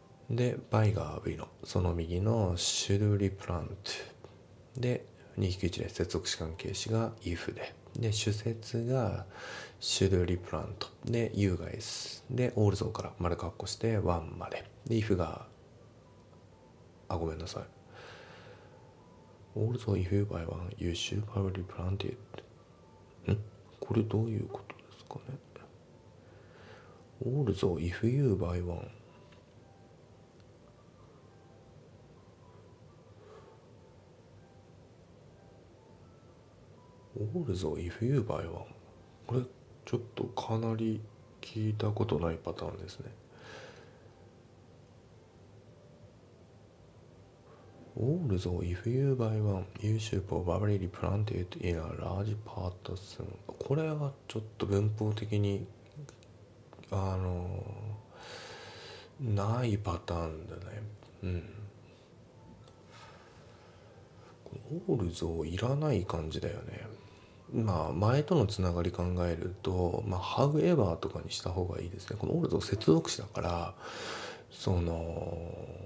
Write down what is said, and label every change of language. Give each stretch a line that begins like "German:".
Japanese: で、buy が V の、その右の should replant で、2引き1で接続詞関係詞が if で、で、主節が should replant で、you guys で、also から丸括弧して one まで、で、if が、あ、ごめんなさい。
English: Also, if you buy one, you should probably plant it.
Japanese: ん？これどういうことですかね。
English: Also, if you buy one. Also, if you buy one.
Japanese: これちょっとかなり聞いたことないパターンですね。
English: Also, if you buy one, you should probably replant it in a large pot soon.
Japanese: これはちょっと文法的にないパターンだね。うん。 Also いらない感じだよね。まあ前とのつながり考えると、まあ however とかにした方がいいですね。この also 接続詞だから、その。